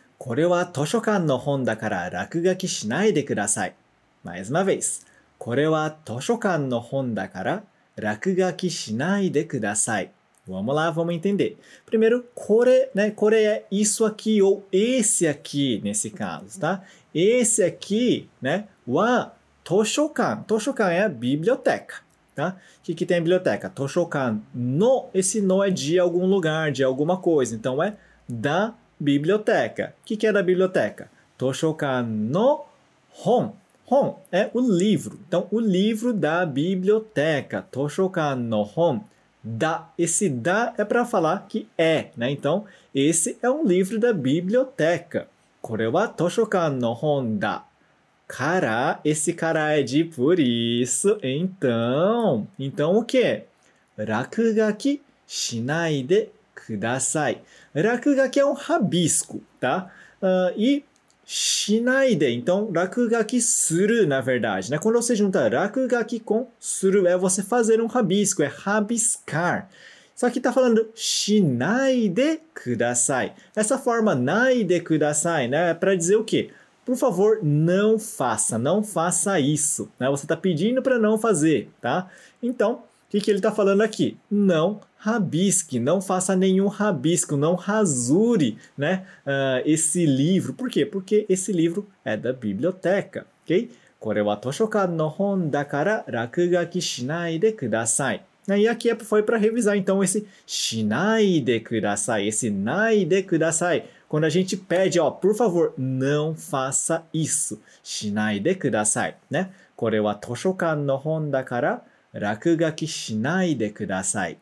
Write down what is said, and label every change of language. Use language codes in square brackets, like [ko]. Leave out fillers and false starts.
[ja] これは図書館の本だから落書きしないでください。 [pt] Mais uma vez。 [ja] これは図書館の本だから落書きしないでください。 [pt] Vamos lá, vamos entender. Primeiro, これ、né? これ é isso aqui ou esse aqui, nesse caso, tá? Esse aqui, né? [ja] は図書館。 [pt] 図書館é a biblioteca, tá? O que que tem a biblioteca? [ja] 図書館の。 [pt] Esse no é de algum lugar, de alguma coisa. Então, é da biblioteca. O que que é da biblioteca? [ja] 図書館の本。 [pt] 本é o livro. Então, o livro da biblioteca. [ja] 図書館の本。 [pt] Da. Esse da é para falar que é, né? Então, esse é um livro da biblioteca. [ja] これは図書館の本だ。 [pt] から、esse cara é de por isso. Então, o quê? [ja] 落書きしないでください。 [pt] 落書きé um rabisco, tá? E shinaide, então, [ja] 落書きする、 [pt] na verdade, né? Quando você junta 落書きcom する é você fazer um rabisco, é rabiscar. Só que tá falando [ja] shinaide kudasai. [pt] Essa forma [ja] naide kudasai, [pt] né, é para dizer o quê? Por favor, não faça isso, né? Você tá pedindo para não fazer, tá? Então, o que que ele tá falando aqui? Não rabisque, não faça nenhum rabisco, não rasure, né, esse livro. Por quê? Porque esse livro é da biblioteca, ok? [ja] これは図書館の本だから落書きしないでください。 [pt] E aqui foi para revisar, então, esse [ja] しないでください、 [pt] esse ないでください。 Quando a gente pede, ó, por favor, não faça isso, [ja] しないでください、 [pt] né? [ja] これは図書館の本だから落書きしないでください。